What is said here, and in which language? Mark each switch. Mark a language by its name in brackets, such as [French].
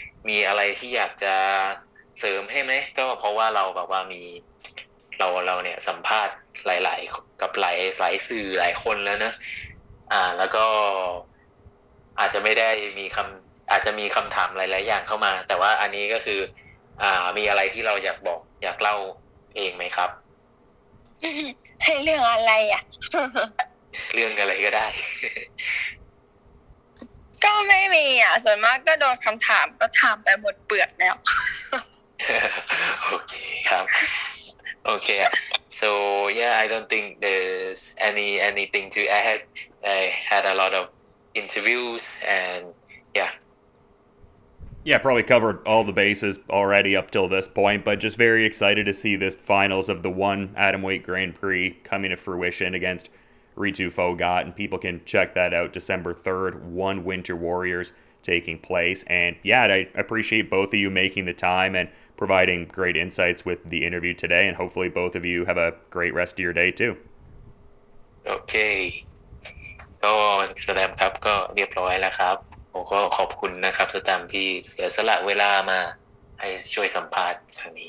[Thai] มีอะไรที่อยากจะเสริมให้ไหมก็เพราะว่าเราแบบว่ามีเราเนี่ยสัมภาษณ์หลายๆกับหลายสื่อหลายคนแล้วนะแล้วก็อาจจะไม่ได้มีคำอาจจะมีคำถามหลายๆอย่างเข้ามาแต่ว่าอันนี้ก็คือมีอะไรที่เราอยากบอกอยากเล่าเองไหมครับ เรื่องอะไรอ่ะ เรื่องอะไรก็ได้ ก็ไม่มีอ่ะส่วนมากก็โดนคำถามก็ถามไปหมดเปลือกแล้ว โอเคครับโอเค [English] so yeah I don't think there's anything to add I had a lot of interviews and yeah probably covered all the bases already up till this point but just very excited to see this finals of the one atomweight Grand Prix coming to fruition against Ritu Fogat, and people can check that out December 3rd, One Winter Warriors taking place. And yeah, I appreciate both of you making the time and providing great insights with the interview today, and hopefully both of you have a great rest of your day too. Okay. [Thai] ก็แสดงครับก็เรียบร้อยแล้วครับผมก็ขอบคุณนะครับแสดงที่เสียสละเวลามาให้ช่วยสัมภาษณ์ครั้งนี